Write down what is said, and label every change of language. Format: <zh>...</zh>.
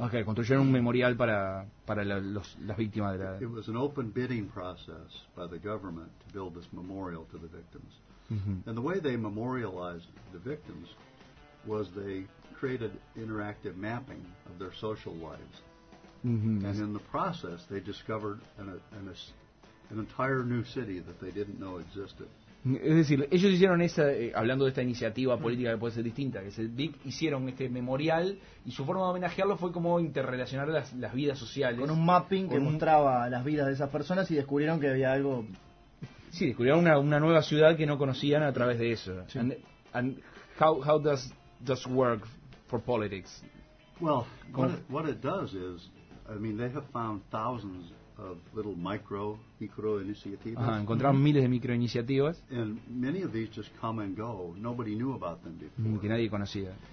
<es>Okay, construyeron un memorial para las víctimas de la.</es> <en>It was an open bidding process by the government to build this memorial to the victims. Mm-hmm. And the way they memorialized the victims was they created interactive mapping of their social lives. Mm-hmm. And in the process, they discovered an entire new city that they didn't know existed.</en> <es>Es decir, ellos hicieron esa, hablando de esta iniciativa política que puede ser distinta, que es el VIC, hicieron este memorial y su forma de homenajearlo fue como interrelacionar las vidas sociales. Con un mapping que mostraba las vidas de esas personas y descubrieron que había algo... Sí, descubrieron una nueva ciudad que no conocían a través de eso. Sí.</es> <en>And how does work for politics? Well, what it does is, I mean, they have found thousands of little micro initiatives.</en> <es>Ajá, encontraron miles de microiniciativas.</es> <en>And many of these just come and go. Nobody knew about them before.</en> <es>Que nadie conocía.</es>